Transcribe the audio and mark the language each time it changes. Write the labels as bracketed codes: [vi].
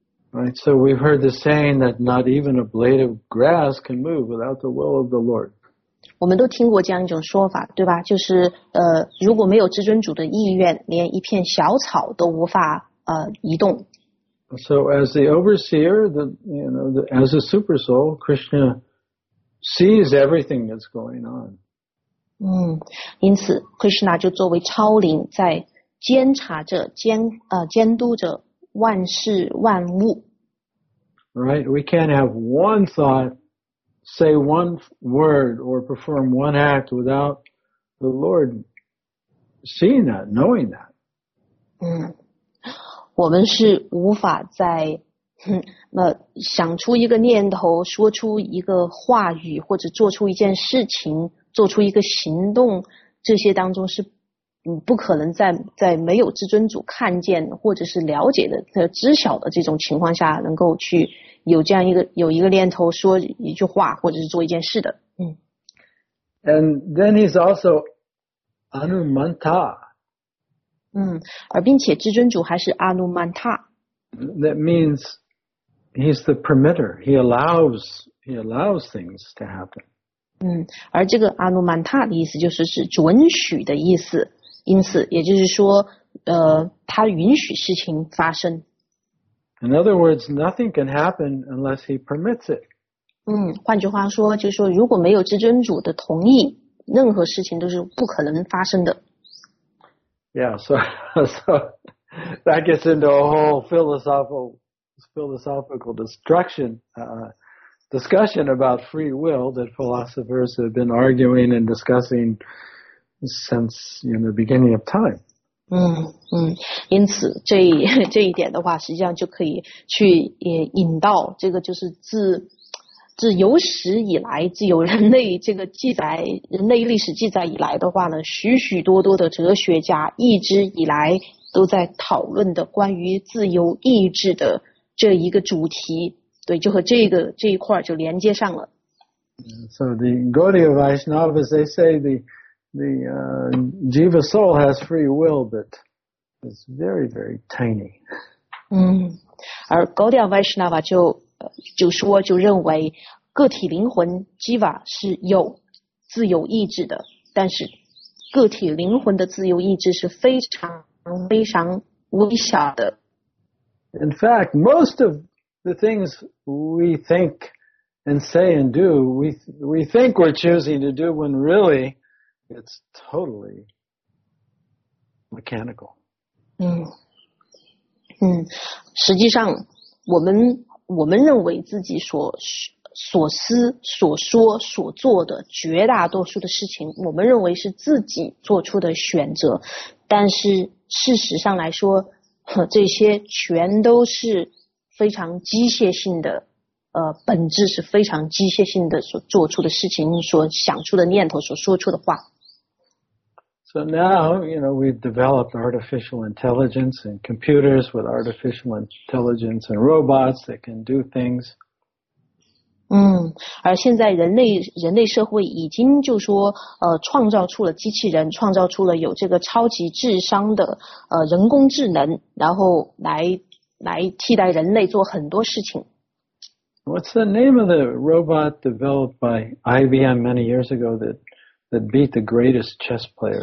[en] Right, so we've heard the saying that not even a blade of grass can move without the will of the Lord. [zh] 我们都听过这样一种说法，对吧？就是如果没有至尊主的意愿，连一片小草都无法移动。 [en] So as the overseer, as a super soul, Krishna sees everything that's going on. [zh] 因此 Krishna 就作为超灵在监察着监督着万事万物。 [en] Right, we can't have one thought, say one word, or perform one act without the Lord seeing that, knowing that. [zh] 我们是无法在想出一个念头，说出一个话语，或者做出一件事情，做出一个行动，这些当中是不可能在没有至尊主看见或者是了解的、知晓的这种情况下，能够去有这样一个有一个念头说一句话，或者是做一件事的。 [en] And then he's also Anumanta. [zh] 而并且至尊主还是 Anumanta. [en] That means he's the permitter. He allows things to happen. [zh] 而这个 Anumanta 的意思就是指准许的意思。因此也就是说他允许事情发生。 [en] In other words, nothing can happen unless he permits it. [zh] 换句话说就是说如果没有至尊主的同意，任何事情都是不可能发生的。 [en] Yeah, so that gets into a whole philosophical discussion about free will that philosophers have been arguing and discussing since the beginning of time. [zh] 因此这一点的话，实际上就可以去引到这个，就是自有史以来，自有人类这个记载，人类历史记载以来的话呢，许许多多的哲学家一直以来都在讨论的关于自由意志的这一个主题，对，就和这一块就连接上了。 [en] So the Gaudiya Vaishnavas, they say the jiva soul has free will, but it's very, very tiny. [zh] 而 Gaudiya Vaishnava 就认为个体灵魂 Jiva 是有自由意志的，但是个体灵魂的自由意志是非常非常微小的。 [en] In fact, most of the things we think and say and do, we think we're choosing to do when really it's totally mechanical. [zh] 实际上我们认为自己所思所说所做的绝大多数的事情，我们认为是自己做出的选择，但是事实上来说，这些全都是非常机械性的，本质是非常机械性的所做出的事情，所想出的念头，所说出的话。 [en] So now, we've developed artificial intelligence and computers with artificial intelligence and robots that can do things. [zh] 而现在人类社会已经就说创造出了机器人，创造出了有这个超级智商的人工智能，然后来替代人类做很多事情。 [en] What's the name of the robot developed by IBM many years ago that beat the greatest chess player?